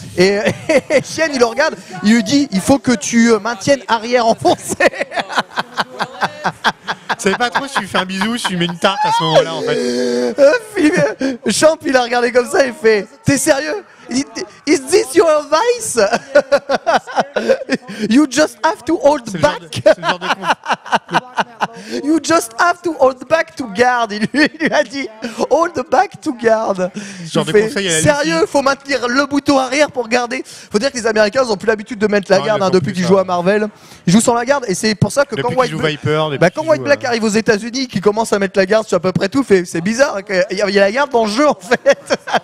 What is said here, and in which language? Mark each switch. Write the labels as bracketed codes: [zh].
[fr] Et Chien, il le regarde, il lui dit il faut que tu maintiennes arrière enfoncé. Je savais pas trop si tu lui fais un bisou ou si tu lui mets une tarte à ce moment-là, en fait. Champ, il a regardé comme ça et il fait « T'es sérieux ? [en] Is this your advice ? You just have to hold back ?» You just have to hold back to guard. [fr] Il lui a dit [en] hold back to guard. [fr] Sérieux, faut maintenir le bouton arrière pour garder. Faut dire que les Américains, ils ont plus l'habitude de mettre la garde, hein, depuis qu'ils jouent à Marvel. Ils jouent sans la garde et c'est pour ça que depuis quand White, Viper, bah, quand White Black arrive aux États-Unis, qu'il commence à mettre la garde sur à peu près tout, c'est bizarre. Il y a la garde dans le jeu, en fait.